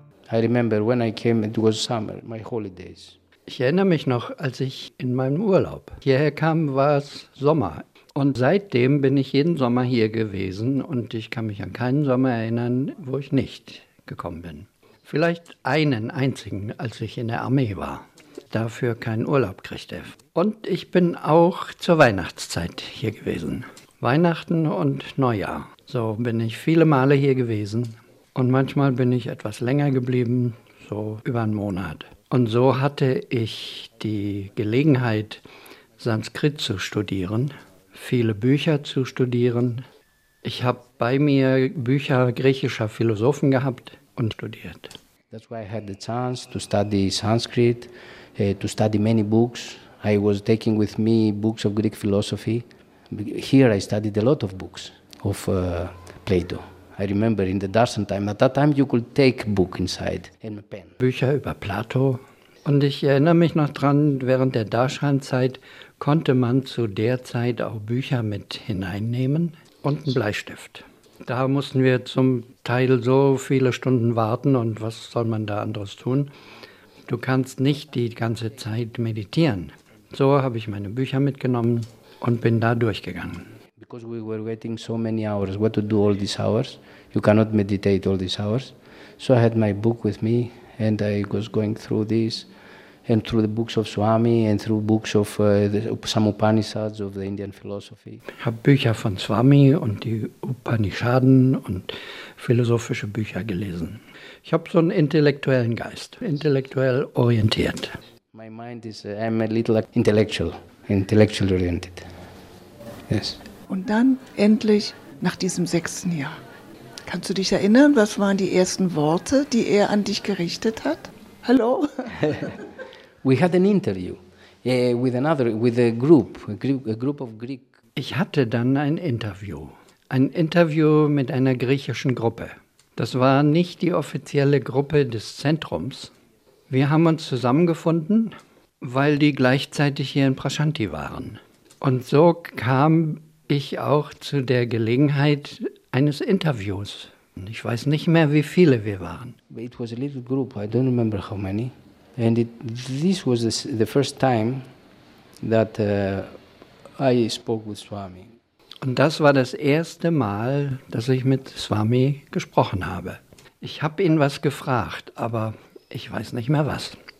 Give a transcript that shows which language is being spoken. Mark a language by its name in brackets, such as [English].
[English] I remember when I came, it was summer, my holidays. [German] Ich erinnere mich noch, als ich in meinem Urlaub hierher kam, war es Sommer. Und seitdem bin ich jeden Sommer hier gewesen und ich kann mich an keinen Sommer erinnern, wo ich nicht gekommen bin. Vielleicht einen einzigen, als ich in der Armee war. Dafür keinen Urlaub kriegt er. Und ich bin auch zur Weihnachtszeit hier gewesen. Weihnachten und Neujahr. So bin ich viele Male hier gewesen. Und manchmal bin ich etwas länger geblieben, so über einen Monat. Und so hatte ich die Gelegenheit, Sanskrit zu studieren, viele Bücher zu studieren. Ich habe bei mir Bücher griechischer Philosophen gehabt und studiert. [English] That's why I had the chance to study Sanskrit, to study many books. I was taking with me books of Greek philosophy. Here I studied a lot of books of Plato. I remember in the Darshan time, at that time you could take book inside and a pen. [German] Bücher über Plato. Und ich erinnere mich noch dran, während der Darshan-Zeit konnte man zu der Zeit auch Bücher mit hineinnehmen und einen Bleistift. Da mussten wir zum Teil so viele Stunden warten und was soll man da anderes tun? Du kannst nicht die ganze Zeit meditieren. So habe ich meine Bücher mitgenommen und bin da durchgegangen. [English] Because we were waiting so many hours, what to do all these hours? You cannot meditate all these hours. So I had my book with me and I was going through this and through the books of Swami and through books of the Upanishads of the Indian philosophy. [German] Ich habe Bücher von Swami und die Upanishaden und philosophische Bücher gelesen. Ich habe so einen intellektuellen Geist, intellektuell orientiert. [English] My mind is, I'm a little intellectual oriented. Yes. [German] Und dann endlich nach diesem sechsten Jahr. Kannst du dich erinnern, was waren die ersten Worte, die er an dich gerichtet hat? Hallo? [English] We had an interview with a group of Greek. [German] Ich hatte dann ein Interview. Ein Interview mit einer griechischen Gruppe. Das war nicht die offizielle Gruppe des Zentrums. Wir haben uns zusammengefunden, weil die gleichzeitig hier in Prashanti waren. Und so kam ich auch zu der Gelegenheit eines Interviews. Ich weiß nicht mehr, wie viele wir waren. [English] It was a little group, I don't remember how many. And this was the first time that I spoke with Swami. [German] Und das war das erste Mal, dass ich mit Swami gesprochen habe. Ich habe ihn was gefragt, aber ich weiß nicht mehr was.